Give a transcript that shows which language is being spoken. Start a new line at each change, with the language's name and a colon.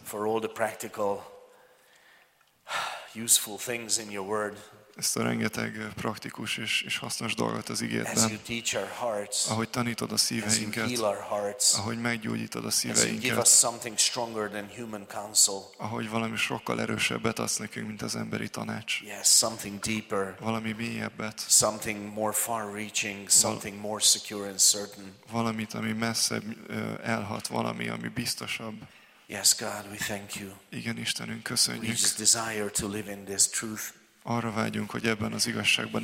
English: For all the practical, useful things in your word.
Hungarian: Ezt a rengeteg praktikus és hasznos dolgot az igédben.
English: As you teach our hearts.
Hungarian: Ahogy tanítod a szíveinket.
English: As you heal our hearts.
Hungarian: Ahogy meggyógyítod a szíveinket.
English: As you give us something stronger than human counsel.
Hungarian: Ahogy valami sokkal erősebbet adsz nekünk, mint az emberi tanács.
English: Yes, something deeper.
Hungarian: Valami mélyebbet.
English: Something more far-reaching, something more secure and certain.
Hungarian: Valamit, ami messzebb elhat, valami, ami biztosabb.
English: Yes, God, we thank you.
Hungarian: Igen, Istenünk, köszönjük.
English: We just desire to live in this truth.
Hungarian: Arra vágyunk, hogy ebben az igazságban